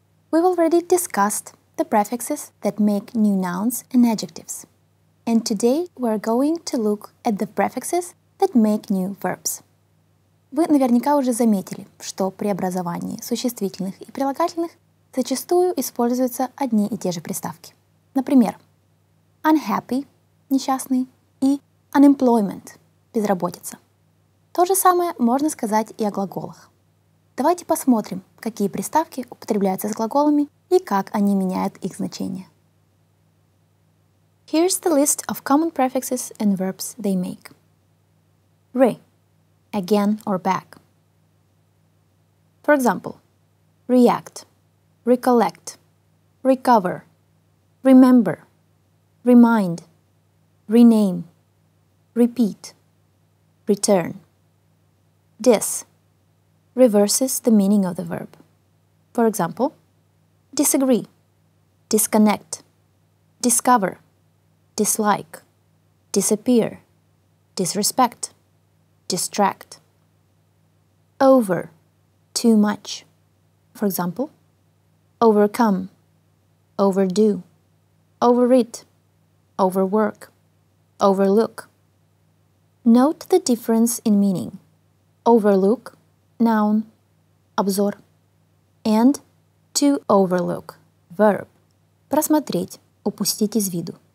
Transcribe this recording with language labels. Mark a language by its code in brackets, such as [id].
[en] We've already discussed the prefixes that make new nouns and adjectives. And today we're going to look at the prefixes that make new verbs. [ru] Вы наверняка уже заметили, что при образовании существительных и прилагательных зачастую используются одни и те же приставки. Например, unhappy – несчастный и unemployment – безработица. То же самое можно сказать и о глаголах. Давайте посмотрим, какие приставки употребляются с глаголами и как они меняют их значение. [en] Here's the list of common prefixes and verbs they make. Re – again or back. For example, react – recollect, recover, remember, remind, rename, repeat, return. Dis reverses the meaning of the verb. For example, disagree, disconnect, discover, dislike, disappear, disrespect, distract. Over, too much. For example, overcome, overdo, overeat, overwork, overlook. Note the difference in meaning. Overlook, noun, обзор, and to overlook, verb, [ru] просмотреть, упустить из виду.